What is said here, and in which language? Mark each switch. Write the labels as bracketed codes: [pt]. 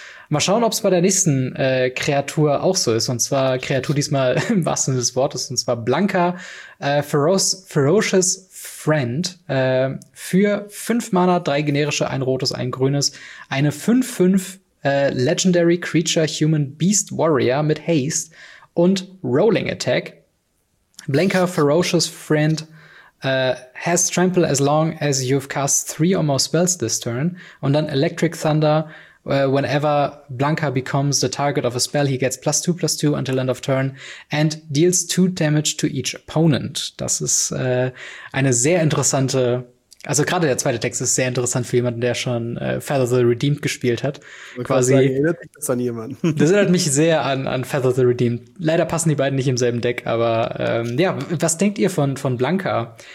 [de] Mal schauen, ob es bei der nächsten Kreatur auch so ist. Und zwar Kreatur diesmal im wahrsten Sinne des Wortes, und zwar Blanka, Ferocious Friend, für 5 Mana, 3 generische, 1 rotes, 1 grünes, eine 5-5 Legendary Creature Human Beast Warrior mit Haste und Rolling Attack. [en] Blanka, Ferocious Friend, has Trample as long as you've cast 3 or more spells this turn. [de] Und dann [en] Electric Thunder, whenever Blanka becomes the target of a spell, he gets +2/+2 until end of turn and deals 2 damage to each opponent. [de] Das ist eine sehr interessante, also gerade der zweite Text ist sehr interessant für jemanden, der schon Feather the Redeemed gespielt hat. Quasi. Erinnert mich das an jemanden. Das erinnert mich sehr an Feather the Redeemed. Leider passen die beiden nicht im selben Deck, aber was denkt ihr von Blanka?